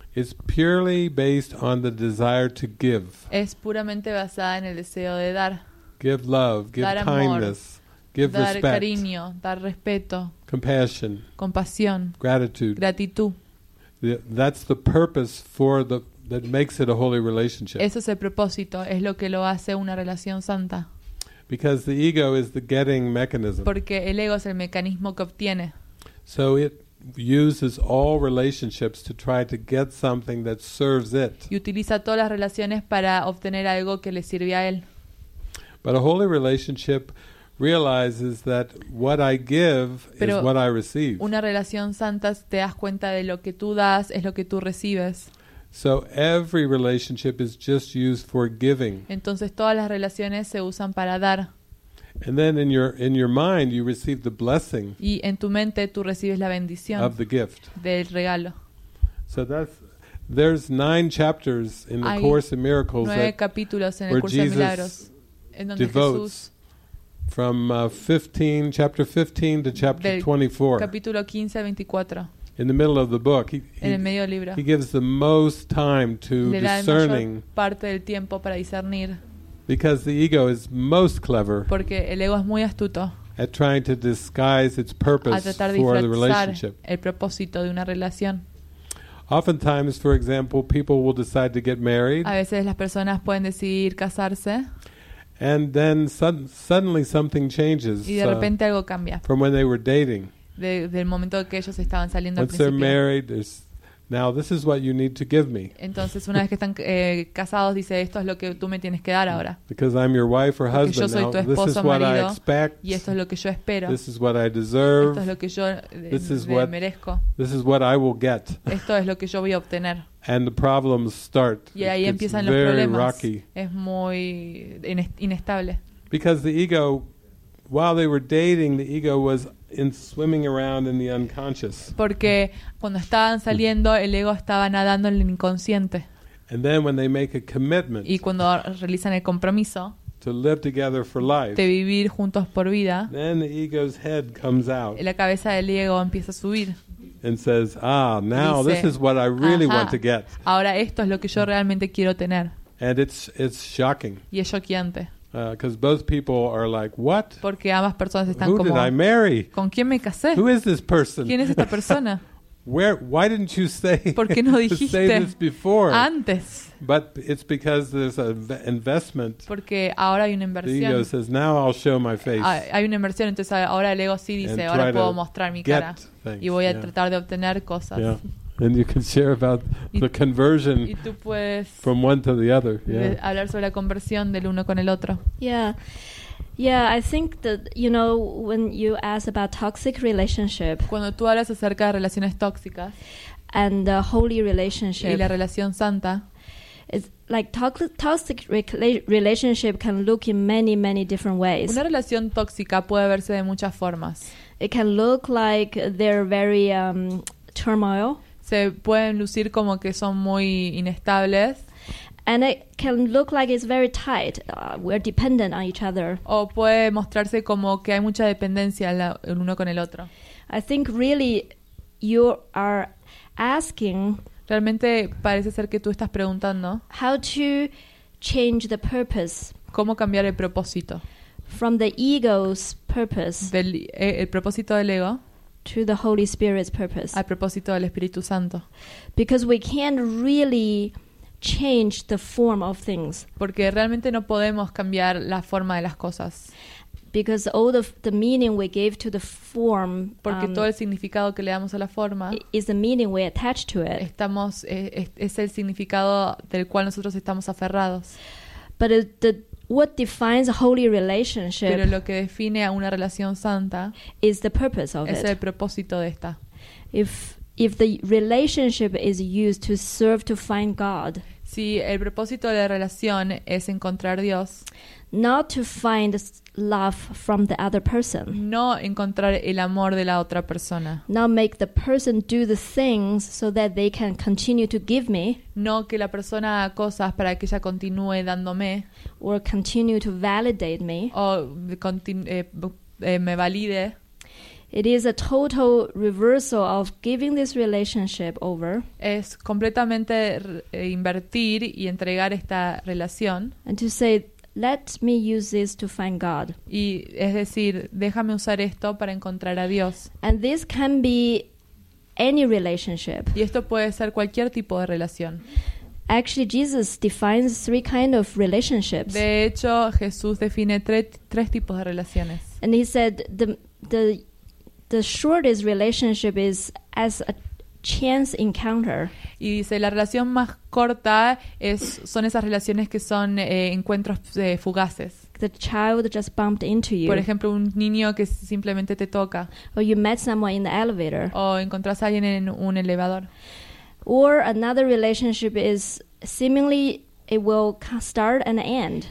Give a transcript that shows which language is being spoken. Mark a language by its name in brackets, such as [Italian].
[English] Is purely based on the desire to give. [Spanish] Es puramente basada en el deseo de dar. [English] Give love, give [Spanish] dar [English] kindness, [Spanish] amor, [English] give [Spanish] dar [English] respect. [Spanish] Dar cariño, dar respeto. [English] Compassion. [Spanish] Compasión. [English] Gratitude. [Spanish] Gratitud. [English] That's the purpose for the that makes it a holy relationship. [Spanish] Ese es el propósito, es lo que lo hace una relación santa. [English] Because the ego is the getting mechanism. [Spanish] Porque el ego es el mecanismo que obtiene. [English] So it uses all relationships to try to get something that serves it. [Spanish] Y utiliza todas las relaciones para obtener algo que le sirve a él. [English] But a holy relationship realizes that what I give [Spanish] pero [English] is what I receive. [Spanish] Una relación santa te das cuenta de lo que tú das es lo que tú recibes. [English] So every relationship is just used for giving. [Spanish] Entonces todas las relaciones se usan para dar. [English] And then in your mind you receive the blessing. [Spanish] Y en tu mente tú recibes la bendición [English] of the gift. [Spanish] Del regalo. [English] So there's 9 chapters in the Course in Miracles. [Spanish] Hay 9 capítulos en el curso [English] Jesus [Spanish] de milagros en donde Jesús [English] from 15 chapter 15 to chapter 24. [Spanish] Capítulo 15 a 24. [English] In the middle of the book, he gives the most time to discerning. [Spanish] Parte del tiempo para discernir. [English] Because the ego is most clever. [Spanish] Porque el ego es muy astuto. [English] At trying to disguise its purpose for the relationship. [Spanish] El propósito de una relación. [English] Oftentimes, for example, people will decide to get married. [Spanish] A veces las personas pueden decidir casarse. [English] And then suddenly something changes. [Spanish] Y de repente algo cambia. [English] From when they were dating. [Spanish] Del momento que ellos estaban saliendo [English] once [Spanish] al principio. [English] Married, now this is what you need to give me. [Spanish] Entonces una vez que están casados dice esto es lo que tú me tienes que dar ahora. [English] Because I'm your wife or husband. [Spanish] Porque yo soy tu esposo [English] now, this is what [Spanish] marido, [English] I expect. [Spanish] Y esto es lo que yo espero. [English] This is what I deserve. [Spanish] Esto es lo que yo merezco. [English] This is what I will get. [Spanish] Esto es lo que yo voy a obtener. [English] And the problems start. [Spanish] Y ahí [English] it's [Spanish] empiezan [English] very [Spanish] los problemas. [English] Rocky. [Spanish] Es muy inestable. [English] Because the ego while they were dating the ego was in swimming around in the unconscious. [Spanish] Porque cuando estaban saliendo el ego estaba nadando en el inconsciente. [English] And then when they make a commitment. [Spanish] Y cuando realizan el compromiso. [English] to live together for life. [Spanish] De vivir juntos por vida. [English] Then the ego's head comes out. [Spanish] La cabeza del ego empieza a subir. [English] And says, "Ah, now [Spanish] dice, [English] this is what I really want to get." [Spanish] Ahora esto es lo que yo realmente quiero tener. [English] And it's shocking. [Spanish] Y es shockeante. [English] Because both people are like, "What?" [Spanish] Porque ambas personas están [English] Who [Spanish] como, [English] did I marry? [Spanish] ¿Con quién me casé? [English] Who is this person? [Spanish] ¿Quién es esta persona? [English] Where? Why didn't you say? [Spanish] ¿Por qué no dijiste [English] say this before? [Spanish] Antes. [English] But it's because there's an investment. [Spanish] Porque ahora hay una inversión. [English] The ego says, "Now I'll show my face." [Spanish] Hay una inversión, entonces ahora el ego sí dice, "Ahora puedo mostrar mi cara y voy a tratar de obtener cosas." [English] Yeah. And you can share about the conversion from one to the other. Yeah. [Spanish] Hablar sobre la conversión del uno con el otro. [English] Yeah. Yeah, I think that, you know, when you ask about toxic relationship. [Spanish] Cuando tú hablas acerca de relaciones tóxicas. [English] And the holy relationship. [Spanish] Y la relación santa. [English] It's like toxic relationship can look in many, many different ways. [Spanish] Una relación tóxica puede verse de muchas formas. [English] It can look like they're very turmoil. [Spanish] Se pueden lucir como que son muy inestables. [English] And it can look like it's very tight. We're dependent on each other. [Spanish] O puede mostrarse como que hay mucha dependencia el uno con el otro. [English] I think really you are asking. [Spanish] Realmente parece ser que tú estás preguntando. [English] How to change the purpose. [Spanish] ¿Cómo cambiar el propósito? [English] From the ego's purpose. [Spanish] El propósito del ego. [English] To the Holy Spirit's purpose. [Spanish] Al propósito del Espíritu Santo. [English] Because we can't really change the form of things. [Spanish] Porque realmente no podemos cambiar la forma de las cosas. [English] Because all the meaning we give to the form. [Spanish] Porque todo el significado que le damos a la forma. [English] Is the meaning we attach to it. [Spanish] Es el significado del cual nosotros estamos aferrados. [English] But what defines a holy relationship? [Spanish] Pero lo que define a una relación santa [English] is the purpose of [Spanish] it. Es el propósito de esta. [English] If the relationship is used to serve to find God. [Spanish] Si el propósito de la relación es encontrar Dios. [English] Not to find love from the other person. [Spanish] No encontrar el amor de la otra persona. [English] Not make the person do the things so that they can continue to give me. [Spanish] No que la persona haga cosas para que ella continúe dándome. [English] Or continue to validate me. [Spanish] O me valide. [English] It is a total reversal of giving this relationship over. [Spanish] Es completamente invertir y entregar esta relación. [English] And to say, let me use this to find God. [Spanish] Y es decir, déjame usar esto para encontrar a Dios. [English] And this can be any relationship. [Spanish] Y esto puede ser cualquier tipo de relación. [English] Actually, Jesus defines three kinds of relationships. [Spanish] De hecho, Jesús define tres tipos de relaciones. [English] And he said the shortest relationship is as a chance encounter. [Spanish] Y dice, la relación más corta son esas relaciones que son encuentros fugaces. [English] The child just bumped into you. [Spanish] Por ejemplo, un niño que simplemente te toca. [English] Or you met someone in the elevator. [Spanish] O encontrás a alguien en un elevador. [English] Or another relationship is seemingly it will start and end.